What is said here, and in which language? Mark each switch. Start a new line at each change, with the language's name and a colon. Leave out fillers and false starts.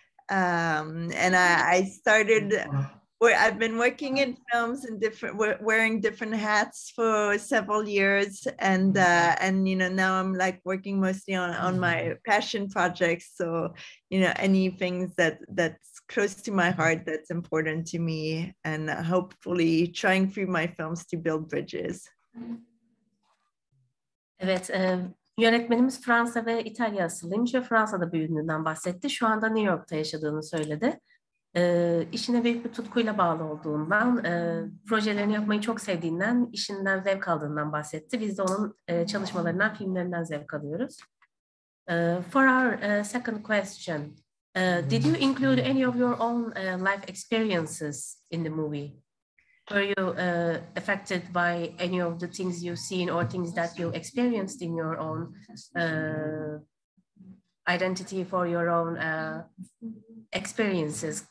English: And I started where I've been working in films and different wearing different hats for several years, and you know, now I'm like working mostly on my passion projects. So, you know, anything that's close to my heart, that's important to me, and hopefully trying through my films to build bridges.
Turkish: Evet, yönetmenimiz Fransa ve İtalya asıllıymış ve Fransa'da büyüdüğünden bahsetti. Şu anda New York'ta yaşadığını söyledi. İşine büyük bir tutkuyla bağlı olduğundan, projelerini yapmayı çok sevdiğinden, işinden zevk aldığından bahsetti. Biz de onun çalışmalarından, filmlerinden zevk alıyoruz.
English: For our second question, did you include any of your own life experiences in the movie? Were you affected by any of the things you've seen or things that you experienced in your own identity, for your own experiences?